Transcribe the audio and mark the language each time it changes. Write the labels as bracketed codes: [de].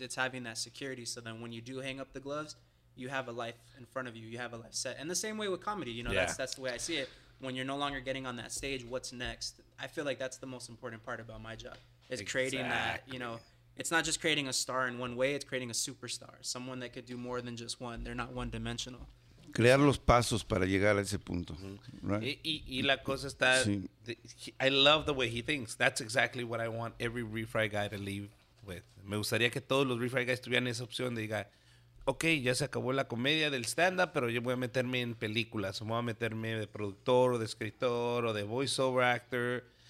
[en] It's having that security. So then when you do hang up the gloves, you have a life in front of you. You have a life set. And the same way with comedy, you know, that's the way I see it. When you're no longer getting on that stage, what's next? I feel like that's the most important part about my job, is creating that, you know. It's not just creating a star in one way, it's creating a superstar, someone that could do more than just one. They're not one dimensional. [es] Crear los pasos para llegar a ese punto. Y la cosa está. [en] I love the way he thinks. That's exactly what I want every Refry guy to leave with. [es] Me gustaría que todos los Refry guys tuvieran esa opción de diga, okay, ya se acabó la comedia del stand-up, pero yo voy a meterme en películas, o voy a meterme de productor, o de escritor, o de voiceover actor.